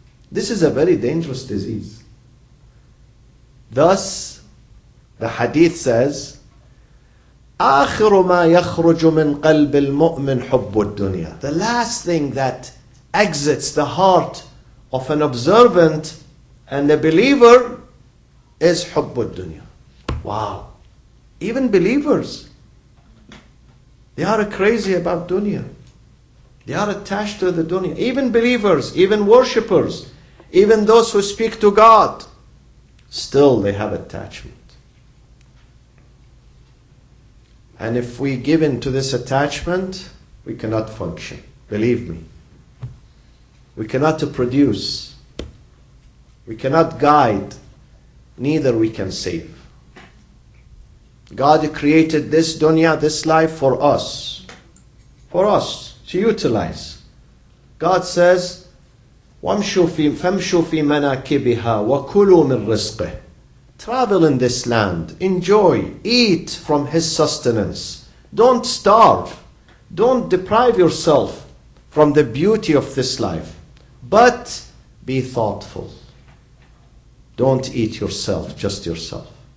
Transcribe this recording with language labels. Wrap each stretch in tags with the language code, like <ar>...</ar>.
<en>This is a very dangerous disease. Thus, the hadith says,</en> <ar>آخِرُ مَا يَخْرُجُ مِنْ قَلْبِ الْمُؤْمِنِ حُبُّ الدُّنْيَا.</ar> <en>The last thing that exits the heart of an observant and a believer is</en> <ar>حُبُّ الدُّنْيَا.</ar> <en>Wow. Even believers, they are crazy about dunya. They are attached to the dunya. Even believers, even worshippers, even those who speak to God, still they have attachment. And if we give in to this attachment, we cannot function. Believe me. We cannot produce. We cannot guide. Neither we can save. God created this dunya, this life for us. For us to utilize. God says,</en> <ar>فَمْشُوا فِي مَنَاكِبِهَا وَكُلُوا مِنْ رِزْقِهِ.</ar> <en>Travel in this land, enjoy, eat from his sustenance. Don't starve, don't deprive yourself from the beauty of this life. But be thoughtful. Don't eat yourself, just yourself.</en>